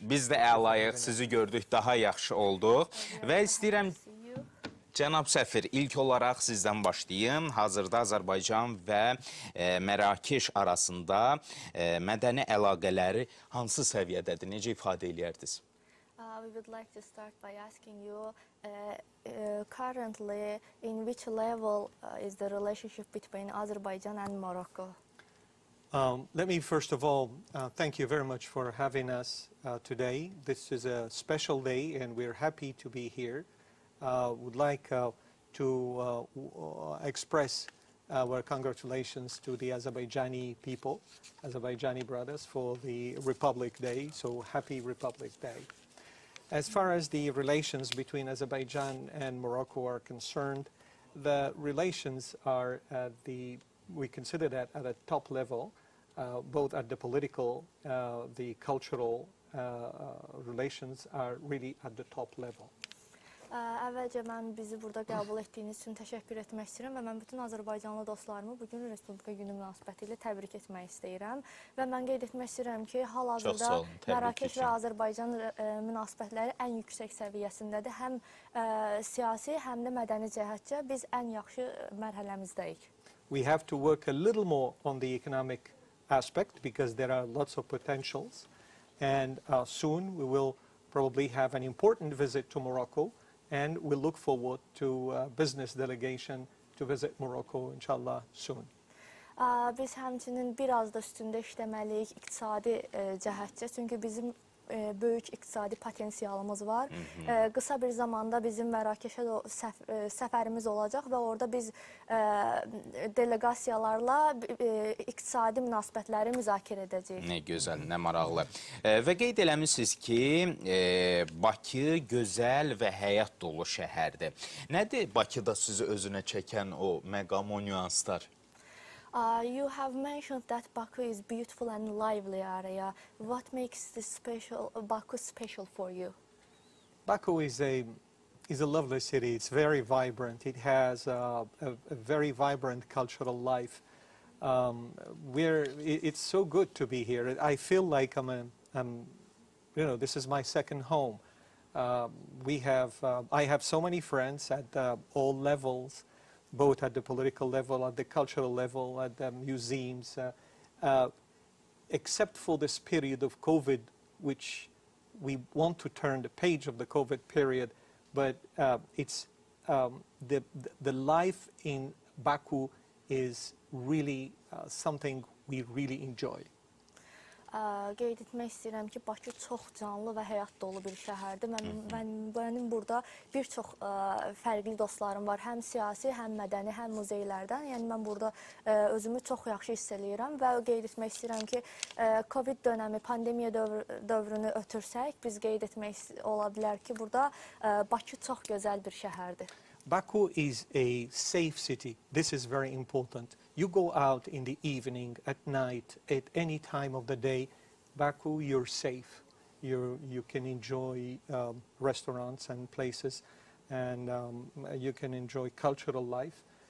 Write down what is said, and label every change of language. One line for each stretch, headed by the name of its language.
Azerbaijani: Biz də əlayıq. Sizi gördük, daha yaxşı olduq. Və istəyirəm, cənab səfir, ilk olaraq sizdən başlayım. Hazırda Azərbaycan və Mərakeş arasında mədəni əlaqələri hansı səviyyədədir? Necə ifadə edərdiniz?
English: We would like to start by asking you currently in which level is the relationship between Azerbaijan and Morocco? Let me first of all thank you very much for having us today. This is a special day and we're happy to be here. Would like to express our congratulations to the Azerbaijani people, Azerbaijani brothers, for the Republic Day. So happy Republic Day. As far as the relations between Azerbaijan and Morocco are concerned, the relations are at the, we consider that at a top level. Both at the political, the cultural relations are really at the top level.
Azerbaijani: Əvvəlcə mən bizi burada qəbul etdiyiniz üçün təşəkkür etmək istəyirəm və mən bütün Azərbaycanlı dostlarımı bugün Respublika günü münasibəti ilə təbrik etmək istəyirəm. Və mən qeyd etmək istəyirəm ki, hal-hazırda Mərakeş və Azərbaycan münasibətləri ən yüksək səviyyəsindədir. Həm siyasi, həm də mədəni cəhətcə biz ən yaxşı mərhələmizdəyik.
English: We have to work a little more on the economic aspect because there are lots of potentials, and soon we will probably have an important visit to Morocco, and we look forward to a business delegation to visit Morocco inshallah soon.
Azerbaijani: Biz həmçinin biraz da üstündə işləməliyik iqtisadi cəhətcə, çünki bizim böyük iqtisadi potensialımız var. Qısa bir zamanda bizim Mərakeşə səfərimiz olacaq və orada biz delegasiyalarla iqtisadi münasibətləri müzakirə edəcəyik. Nə gözəl, nə maraqlı. Və qeyd eləmişsiniz ki, Bakı gözəl və həyat dolu şəhərdir. Nədir Bakıda sizi özünə çəkən o məqam, o nüanslar?
English: You have mentioned that Baku is beautiful and lively area. What makes this special Baku special for you? Baku is a lovely city. It's very vibrant. It has a very vibrant cultural life. It's so good to be here. I feel like I'm this is my second home. I have so many friends at all levels, both at the political level, at the cultural level, at the museums. Except for this period of COVID, which we want to turn the page of the COVID period, but it's the life in Baku is really something we really enjoy.
Azerbaijani: Qeyd etmək istəyirəm ki, Bakı çox canlı və həyat dolu bir şəhərdir. Mənim burada bir çox fərqli dostlarım var, həm siyasi, həm mədəni, həm muzeylərdən. Yəni, mən burada özümü çox yaxşı hiss eləyirəm və qeyd etmək istəyirəm ki, COVID dönəmi, pandemiya dövrünü ötürsək, biz qeyd etmək ola bilər ki, burada Bakı çox gözəl bir şəhərdir.
English: Baku is a safe city. This is very important. You go out in the evening, at night, at any time of the day, Baku, you're safe. You can enjoy restaurants and places, and you can enjoy cultural life.